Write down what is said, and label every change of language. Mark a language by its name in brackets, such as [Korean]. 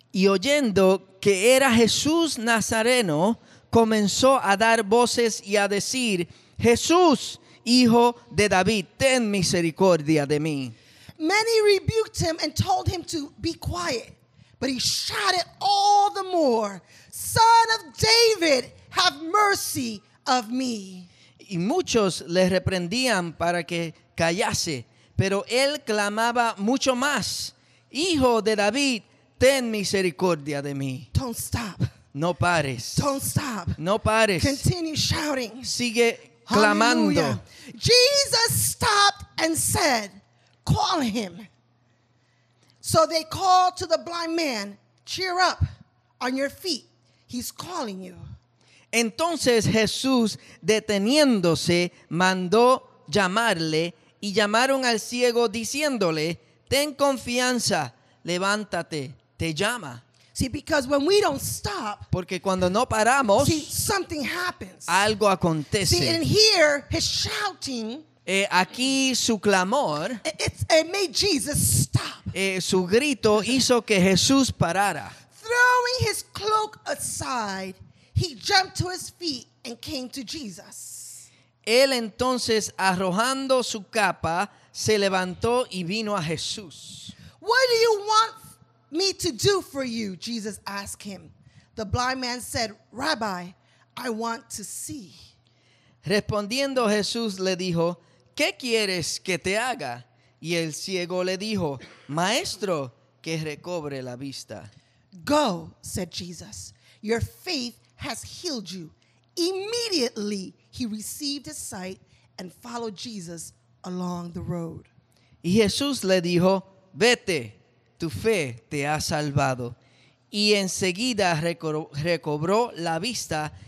[Spanish] Y oyendo que era Jesús Nazareno, comenzó a dar voces y a decir, "Jesús, hijo de David, ten misericordia de mí." [English] Many rebuked him and told him to be quiet, but he shouted all the more, "Son of David, have mercy of me." [Spanish] Y muchos le reprendían para que callase, pero él clamaba mucho más, "Hijo de David, ten misericordia de mí." [English] Don't stop. [Spanish] No pares. [English] Don't stop. [Spanish] No pares. [English] Continue shouting. [Spanish] Sigue clamando. [English] Hallelujah. Jesus stopped and said, "Call him." So they called to the blind man, "Cheer up, on your feet, he's calling you." [Spanish] Entonces Jesús, deteniéndose, mandó llamarle, y llamaron al ciego diciéndole, "Ten confianza, levántate, te llama." [English] See, because when we don't stop, [Spanish] porque cuando no paramos, [English] see, something happens. [Spanish] Algo acontece. [English] See, and here, his shouting, [Spanish] aquí su clamor, [English] it made Jesus stop. [Spanish] Su grito hizo que Jesús parara. [English] Throwing his cloak aside, he jumped to his feet and came to Jesus. [Spanish] Él entonces, arrojando su capa, se levantó y vino a Jesús. [English] "What do you want me to do for you?" Jesus asked him. The blind man said, "Rabbi, I want to see." [Spanish] Respondiendo Jesús le dijo, "¿Qué quieres que te haga?" Y el ciego le dijo, "Maestro, que recobre la vista." [English] "Go," said Jesus, "your faith has healed you." Immediately he received his sight and followed Jesus along the road. [Spanish] Y Jesús le dijo, "Vete, tu fe te ha salvado." Y enseguida recobró la vista